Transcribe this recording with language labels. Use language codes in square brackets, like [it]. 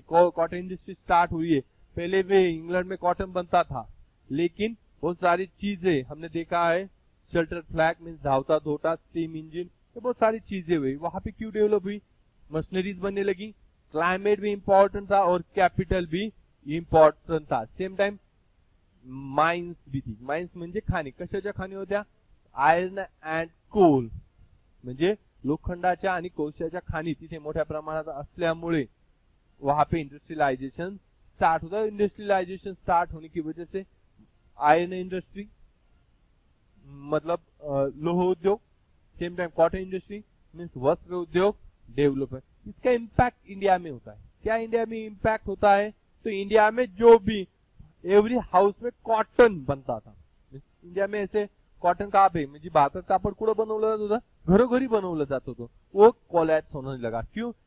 [hi] Cotton industry start हुई है, पहले भी इंग्लैंड में कॉटन बनता था, लेकिन बहुत सारी चीजें हमने देखा है, शेल्टर फ्लैग मीन्स धावता धोटा, स्टीम इंजिन, ये बहुत सारी चीजें हुई। वहां पे क्यों डेवलप हुई? मशीनरीज बनने लगी, क्लाइमेट भी इम्पोर्टेंट था और कैपिटल भी इम्पोर्टेंट था। सेम टाइम माइंस भी थी, [mr] माइंस म्हणजे खाने, कशाच्या खाणी होत्या? आयर्न एंड कोल, म्हणजे लोखंडाच्या आणि कोळशाच्या खाणी तिथे मोठ्या प्रमाणात असल्यामुळे [hi] वहां पे इंडस्ट्रियलाइजेशन स्टार्ट होता। इंडस्ट्रियलाइजेशन स्टार्ट होने की वजह से आयर्न इंडस्ट्री मतलब लोह उद्योग, same time cotton industry means वस्त्र उद्योग डेवलप है। इसका इम्पैक्ट इंडिया में होता है। क्या इंडिया में इम्पैक्ट होता है? तो इंडिया में जो भी एवरी हाउस में कॉटन बनता था, इंडिया में ऐसे कॉटन का [mr] म्हणजे भारतात कापड कुठं बनवलं जात होतं, [hi] घरोघरी बनवलं जात होतं, वो कॉलॅप्स होने लगा। क्यों?